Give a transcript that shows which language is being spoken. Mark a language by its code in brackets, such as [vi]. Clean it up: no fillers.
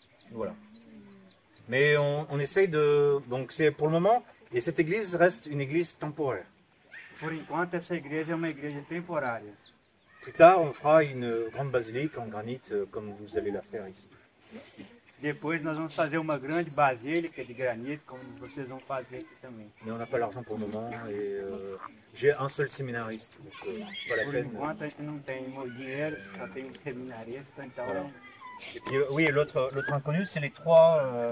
[fr] voilà. Mais on essaye de. Donc c'est pour le moment, et cette église reste une église temporaire. Pour l'instant, cette église est une église temporaire. Plus tard, on fera une grande basilique en granit, comme vous allez la faire ici. [pt] Depois, nós vamos fazer uma grande basílica de granito, como vocês vão fazer aqui também. [fr] Mais on n'a pas l'argent pour le moment, et j'ai un seul séminariste. [pt] Por enquanto, a gente não tem muito dinheiro, só tem um séminariste, então. [fr] Voilà. Et puis, oui, l'autre inconnu, c'est les trois.